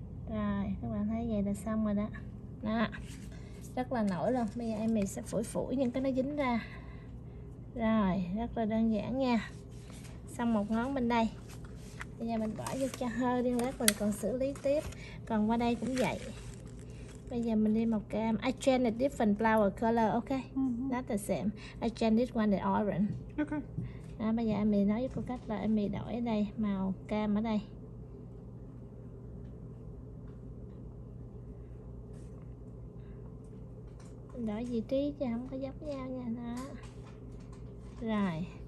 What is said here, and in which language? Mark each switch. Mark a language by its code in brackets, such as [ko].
[vi] Rồi, các bạn thấy vậy là xong rồi đó. Đó. Rất là nổi luôn. Bây giờ em mình sẽ phủi phủi những cái nó dính ra. Rồi, rất là đơn giản nha. Xong một ngón bên đây. Bây giờ mình bỏ vô cho hơi đi, lát mình còn xử lý tiếp. Còn qua đây cũng vậy. Bây giờ mình đi màu cam. [en] I change a different flower color, okay? Not the same. I change this one the orange. Okay. [vi] Đó, bây giờ em mình nói với cô cách là em mình đổi ở đây màu cam ở đây. Đổi vị trí chứ không có giống nhau nha đó. Rồi.